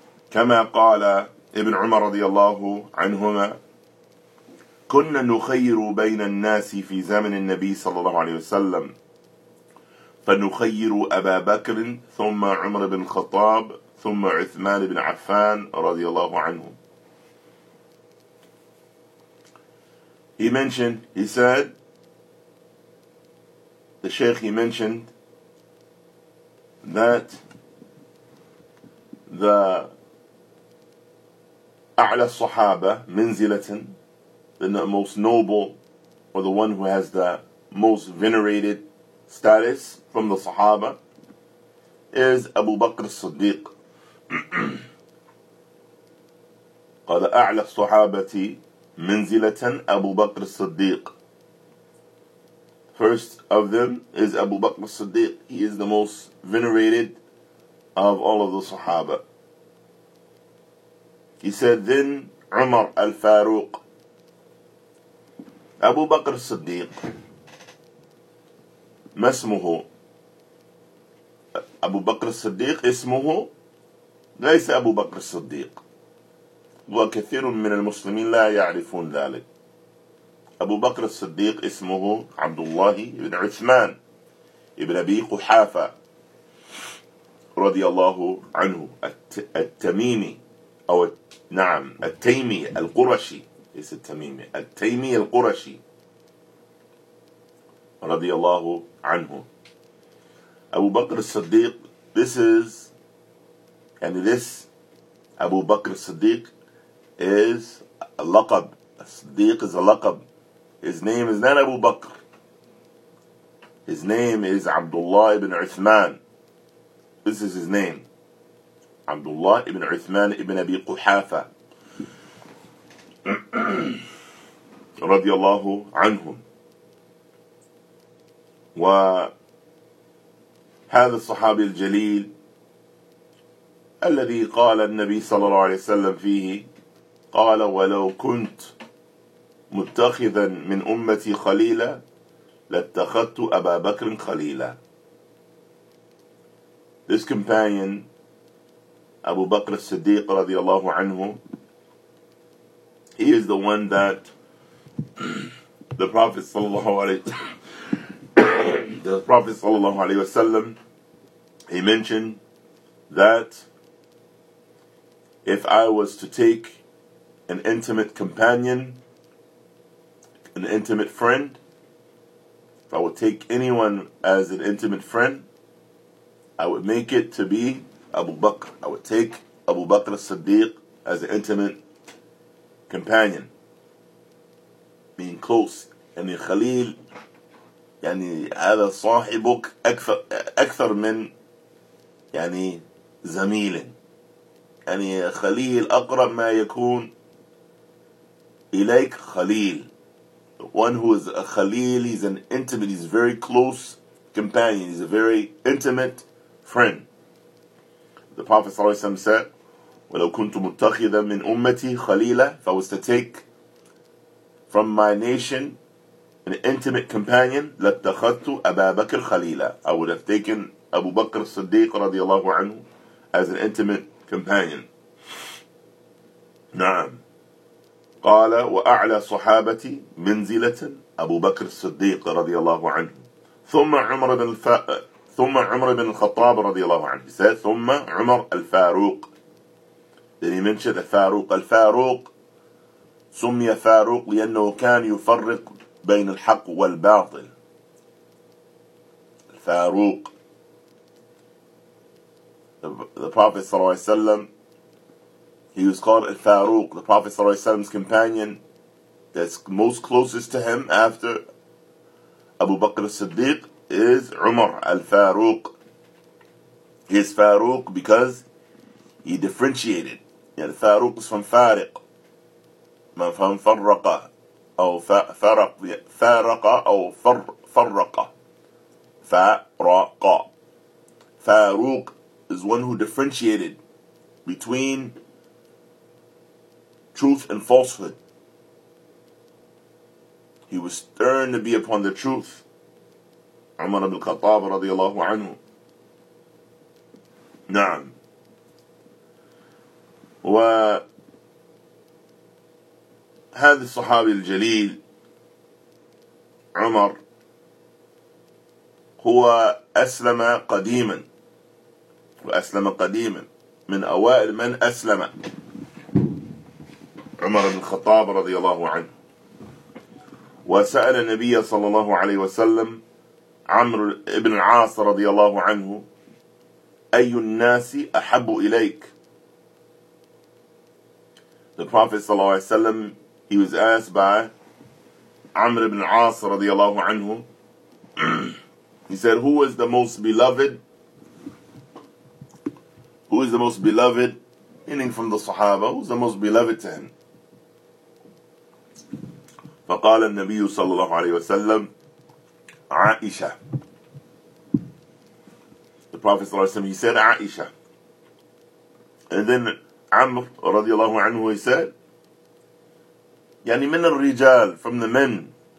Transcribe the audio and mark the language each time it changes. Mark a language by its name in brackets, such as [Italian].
[Arabic] كما قال ابن عمر رضي الله عنهما كنا نخير بين الناس في زمن النبي صلى الله عليه وسلم فنخير أبا بكر ثم عمر بن الخطاب ثم عثمان بن عفان رضي الله عنه. [English] He said the Shaykh, he mentioned that the [Arabic] أعلى الصحابة منزلة, [English] the most noble, or the one who has the most venerated status from the Sahaba, is Abu Bakr al-Siddiq. [Arabic] قال أعلى الصحابة منزلة أبو بكر الصديق. [English] First of them is Abu Bakr al-Siddiq. He is the most venerated of all of the Sahaba. He said, then Umar al-Faruq, Abu Bakr al-Siddiq, [Arabic] ما اسمه؟ [English] Abu Bakr al-Siddiq [Arabic] اسمه ليس [English] Abu Bakr al-Siddiq. [Arabic] وكثير من المسلمين لا يعرفون ذلك. أبو بكر الصديق اسمه عبد الله بن عثمان ابن أبي قحافة رضي الله عنه التميمي أو نعم التيمي القرشي ليس التميمي التيمي القرشي رضي الله عنه. [English] أبو بكر الصديق, this أبو بكر الصديق is a لقب. الصديق is a لقب. His name is not Abu Bakr. His name is Abdullah ibn Uthman. This is his name. Abdullah ibn Uthman ibn Abi Quhafa. [Arabic] رضي الله عنهم. و هذا الصحابي الجليل الذي قال النبي صلى الله عليه وسلم فيه، قال: ولو كنت متخذا من أمتي خليلا لاتخذت أبا بكر خليلا. [English] This companion, Abu Bakr al-Siddiq [Arabic] رضي الله عنه, [English] he is the one that the Prophet [Arabic] صلى الله عليه وسلم, [English] he mentioned that if I was to take an intimate companion, an intimate friend, if I would take anyone as an intimate friend, I would make it to be Abu Bakr. I would take Abu Bakr as-Siddiq as an intimate companion, being close. [Arabic] يعني خليل يعني هذا صاحبك أكثر من يعني زميل. يعني خليل أقرب ما يكون إليك خليل. [English] One who is a khalil, he's an intimate, he's a very close companion, he's a very intimate friend. The Prophet ﷺ said, [Arabic] وَلَوْ كُنْتُ مُتَّخِذًا مِنْ أُمَّتِي خَلِيلًا, [English] if I was to take from my nation an intimate companion, [Arabic] لَتَّخَذْتُ أَبَا بَكْرٍ خَلِيلًا, [English] I would have taken Abu Bakr as-Siddiq [Arabic] رضي الله عنه [English] as an intimate companion. [Arabic] نعم. قال وأعلى صحابتي منزلة أبو بكر الصديق رضي الله عنه ثم عمر بن الخطاب رضي الله عنه ثم عمر الفاروق. [English] Then he mentioned الفاروق. [Arabic] الفاروق سمي فاروق لأنه كان يفرق بين الحق والباطل. الفاروق. [English] The Prophet [Arabic] صلى الله عليه وسلم, [English] he was called Al-Faruq, the Prophet ﷺ's companion that's most closest to him after Abu Bakr as-Siddiq is Umar Al-Faruq. He is Faruq because he differentiated. Yeah, Al-Faruq is from Fariq. [Arabic] من فهم فرقة أو فرق فرقة أو فرقة فرقة. [English] Faruq is one who differentiated between truth and falsehood. He was stern to be upon the truth. [Arabic] Umar ibn al-Khattab radiallahu anhu. Na'am. Wa hadhi sahabi al-jaleel, Umar, huwa aslama qadiman. Wa aslama qadiman. Min awail man aslama. عمر بن الخطاب رضي الله عنه. وسأل النبي صلى الله عليه وسلم عمرو بن العاص رضي الله عنه أي الناس أحب إليك. [English] The Prophet [Arabic] صلى الله عليه وسلم, [English] he was asked by عمرو بن العاص [Arabic] رضي الله عنه, [English] he said, who is the most beloved, who is the most beloved, meaning from the Sahaba, who is the most beloved to him. [Arabic] فقال النبي صلى الله عليه وسلم عائشة. [English] The Prophet [Arabic] صلى الله عليه وسلم, [English] he said عائشة. And then عمر [Arabic] رضي الله عنه, [English] he said, [Arabic] يعني من الرجال, [English] from the men.